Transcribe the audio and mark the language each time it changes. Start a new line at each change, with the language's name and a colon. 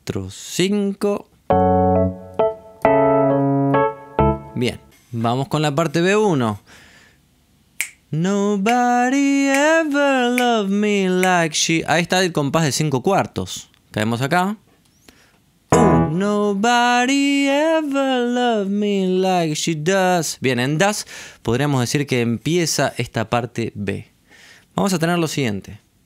Spanish: 5. Bien, vamos con la parte B1.
English: Nobody ever loved me like she.
Spanish: Ahí está el compás de 5 cuartos. Caemos acá.
English: Nobody ever loved me like she does.
Spanish: Bien, en does podríamos decir que empieza esta parte B. Vamos a tener lo siguiente.